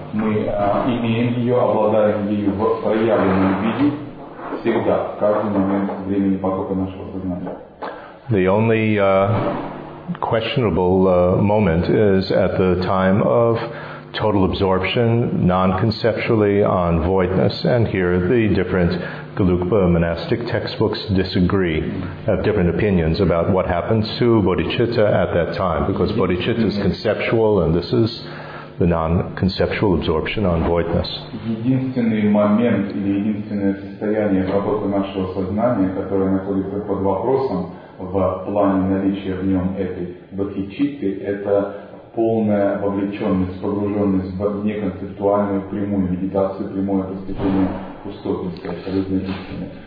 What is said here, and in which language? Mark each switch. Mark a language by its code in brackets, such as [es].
[ru] Мы имеем ее, обладаем ею в проявленном виде всегда, в каждый момент времени потока нашего сознания. [en] The only questionable moment is at the time of total absorption, non-conceptually on voidness, and here the different Galukpa monastic textbooks disagree, have different opinions about what happens to bodhicitta at that time, because bodhicitta is conceptual, and this is the non-conceptual absorption on voidness. [ru] Единственный момент или единственное состояние работы нашего сознания, которое находится под вопросом в плане наличия в нем этой бодхичитты, это полная вовлеченность, погруженность в неконцептуальную прямую медитацию, прямое постепенное пустотность, абсолютно истинное.